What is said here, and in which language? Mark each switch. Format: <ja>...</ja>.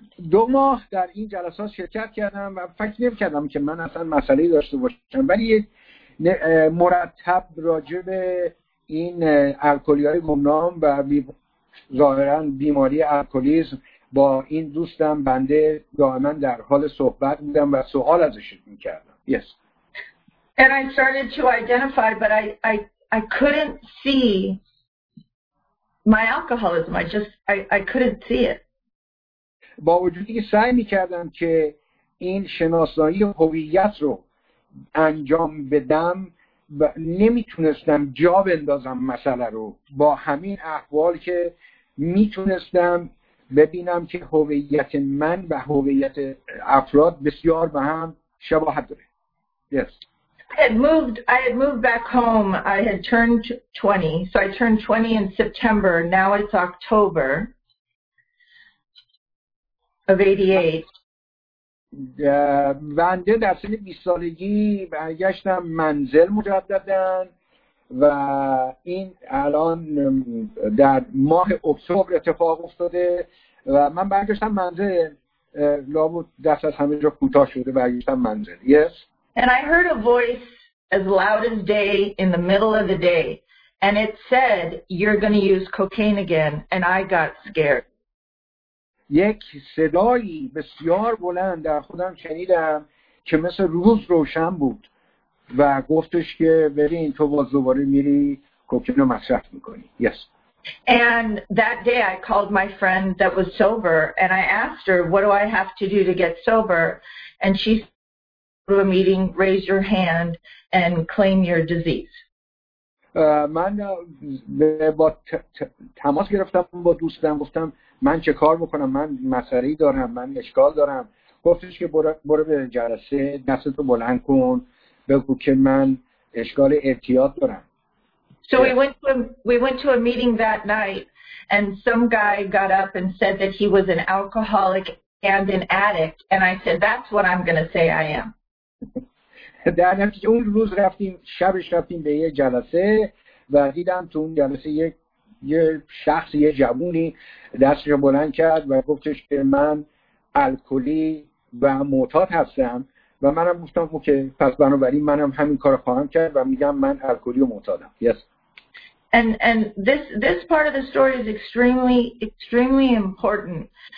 <fa>2 ماه در این جلسات شرکت کردم و فکر نمی‌کردم که من اصلا مسئله‌ای داشته باشم، ولی مرتب راجع به این الکلی‌های گمنام و ظاهراً بیماری الکلیسم با این دوستم بنده دائما در حال صحبت بودم و سوال ازش می‌کردم.</fa> <en>Yes. And I started to identify, but I couldn't see my alcoholism. I couldn't see it.</en> <fa>با وجودی که سعی می‌کردم که این شناسایی هویت رو انجام بدم، نمیتونستم جا بندازم مسئله رو با همین احوال که میتونستم ببینم که هویت من و هویت افراد بسیار به هم شباهت داره.</fa> <en>Yes. I had moved back home. I had turned 20. So I turned 20 in September. Now it's October of 88.</en> <fa>بنده در سن 20 سالگی برگشتم منزل مجددن و این الان در ماه اکتبر اتفاق افتاده و من برگشتم منزل. لابد دست از همه جا کوتاه شده، برگشتم منزل.</fa> <en>Yes. And I heard a voice as loud as day in the middle of the day and it said you're going to use cocaine again and I got scared.</en> <fa>یک صدایی بسیار بلند در خودم شنیدم که مثل روز روشن بود و گفتش که ببین تو باز دوباره میری کوکین رو مصرف میکنی.</fa> <en>Yes. And that day I called my friend that was sober and I asked her what do I have to do to get sober and she said, go to a meeting, raise your hand and claim your disease.</en> <fa>من با تماس گرفتم با دوستم، گفتم من چه کار بکنم، من مسئله‌ای دارم، من اشکال دارم. گفتش که برو به جلسه، دستتو بلند کن، بگو که من اشکال اعتیاد دارم.</fa> <en>So we went to a meeting that night and some guy got up and said that he was an alcoholic and an addict and I said that's what I'm going to say I am.</en> <fa>در نتیجه اون روز شبش رفتیم به یه جلسه و دیدم تو اون جلسه یه جوونی دستش بلند کرد و گفتش که من الکلی و معتاد هستم و منم گفتم که پس بنابراین منم همین کار خواهم کرد و میگم من الکلی و معتادم.</fa> <en>Yes. And this part of the story is extremely extremely important.</en>